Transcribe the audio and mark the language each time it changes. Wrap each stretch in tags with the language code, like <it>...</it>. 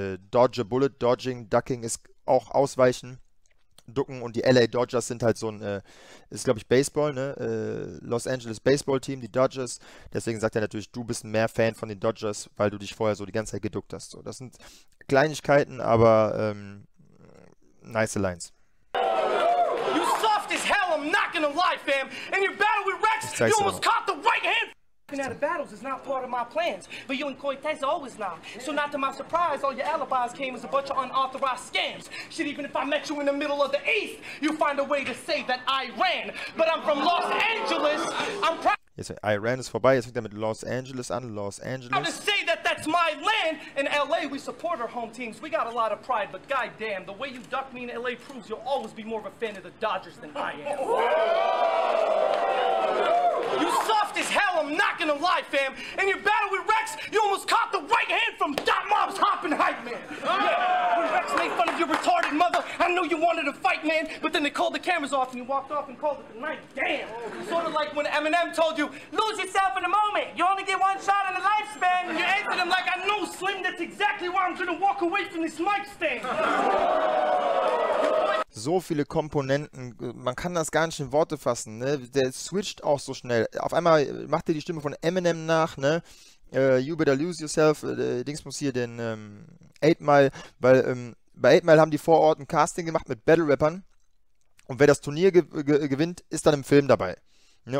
<de>Dodge a Bullet, Dodging, Ducking ist auch Ausweichen, Ducken. Und die LA Dodgers sind halt so ein, ist glaube ich Baseball, ne? Los Angeles Baseball Team, die Dodgers. Deswegen sagt er natürlich, du bist mehr Fan von den Dodgers, weil du dich vorher so die ganze Zeit geduckt hast. So, das sind Kleinigkeiten, aber nice Lines.</de> <en>You soft as hell, I'm not gonna lie, fam. And you battle with Rex, you almost auch caught the right hand. Backing out of battles is not part of my plans, but you and Cortez always lie. So not to my surprise, all your alibis came as a bunch of unauthorized scams. Shit, even if I met you in the middle of the East, you find a way to say that I ran. But I'm from Los Angeles. I'm proud.</en> <de>Jetzt,</de> <en>I ran</en> <de>ist vorbei. Jetzt fängt er mit Los Angeles an. Los Angeles.</de> <en>I'm proud to say that that's my land. In LA, we support our home teams. We got a lot of pride, but goddamn, the way you duck me in LA proves you'll always be more of a fan of the Dodgers than I am. You soft as hell, I'm not gonna lie, fam. In your battle with Rex, you almost caught the right hand from Dot Mob's hopping hype, man. Yeah. When Rex made fun of your retarded mother, I knew you wanted to fight, man. But then they called the cameras off and you walked off and called it the night. Damn. Sort of like when Eminem told you, lose yourself in a moment. You only get one shot in a lifespan. And you answered him like, I know, Slim, that's exactly why I'm gonna walk away from this mic stand.</en> <de>So viele Komponenten, man kann das gar nicht in Worte fassen, ne? Der switcht auch so schnell. Auf einmal macht er die Stimme von Eminem nach, ne?</de> <en>You better lose yourself,</en> <de>Dings muss hier den 8 Mile, weil bei 8 Mile haben die vor Ort ein Casting gemacht mit Battle Rappern und wer das Turnier gewinnt, ist dann im Film dabei. Ne?</de>